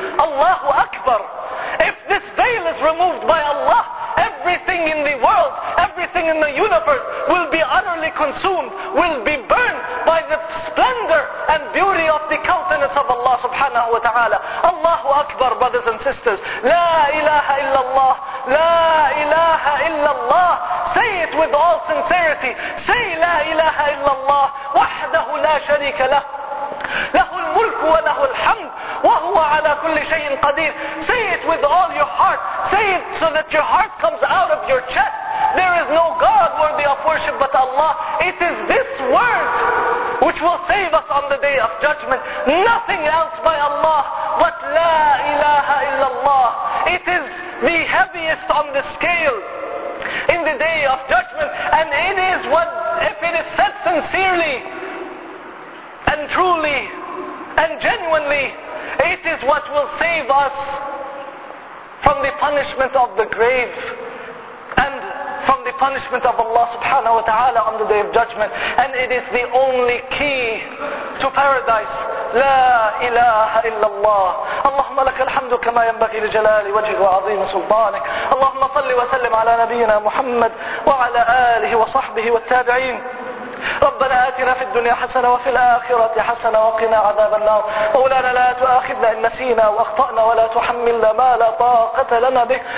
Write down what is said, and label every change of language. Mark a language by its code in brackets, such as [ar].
[en] Allahu Akbar. If this veil is removed by Allah, everything in the world, everything in the universe will be utterly consumed, will be burned by the splendor and beauty of the countenance of Allah subhanahu wa ta'ala. Allahu Akbar, brothers and sisters. La ilaha illallah. La ilaha illallah. Say it with all sincerity. Say la ilaha illallah. [ar] Wahdahu la sharika lah. له الملك وله الحمد وهو على كل شيء قدير. [en] Say it with all your heart. Say it so that your heart comes out of your chest. There is no God worthy of worship but Allah. It is this word which will save us on the day of judgment. Nothing else by Allah but la ilaha illallah. It is the heaviest on the scale in the day of judgment. And it is what, if it is said sincerely and truly and genuinely, it is what will save us from the punishment of the grave and from the punishment of Allah subhanahu wa ta'ala on the day of judgment. And it is the only key to paradise. [ar] لا إله إلا الله. اللهم لك الحمد كما ينبغي لجلال وجهك وعظيم سلطانك. اللهم صل وسلم على نبينا محمد وعلى آله وصحبه والتابعين. ربنا آتنا في الدنيا حسنة وفي الآخرة حسنة وقنا عذاب النار. مولانا لا تؤاخذنا إن نسينا وأخطأنا ولا تحملنا ما لا طاقة لنا به.